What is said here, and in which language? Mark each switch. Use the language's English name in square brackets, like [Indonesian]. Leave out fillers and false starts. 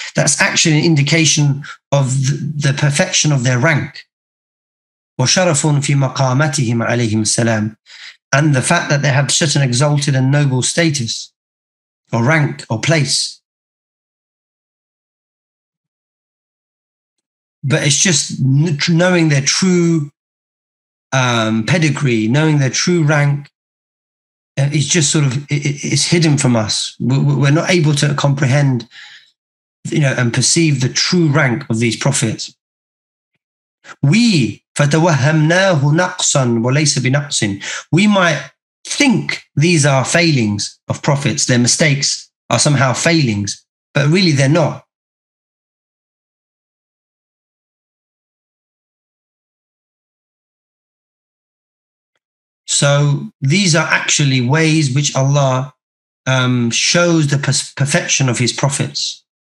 [English] That's actually an indication of the perfection of their rank. [Arabic] وشرف في مقامتهم عليهم السلام. [English] And the fact that they have such an exalted and noble status, or rank, or place. But it's just knowing their true pedigree, knowing their true rank, is just sort of, it's hidden from us. We're not able to comprehend, and perceive the true rank of these prophets. We [Arabic] فتوهمناه نقصا وليس بنقص. [English] We might think these are failings of prophets, their mistakes are somehow failings, but really they're not. So these are actually ways which Allah shows the perfection of his prophets.